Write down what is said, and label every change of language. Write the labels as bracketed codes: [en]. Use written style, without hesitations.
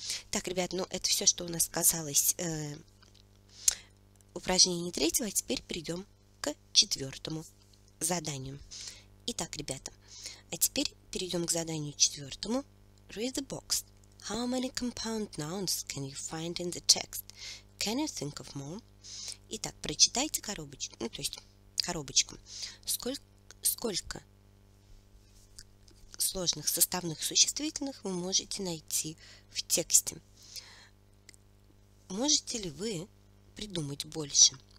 [ru] Так, ребят, ну это все, что у нас казалось упражнение третьего, а теперь перейдем к четвертому заданию. Итак, ребята, а теперь перейдем к заданию четвертому. [en] Read the box. How many compound nouns can you find in the text? Can you think of more? [ru] Итак, прочитайте коробочку, ну, то есть коробочку. Сколько сложных составных существительных вы можете найти в тексте. Можете ли вы придумать больше?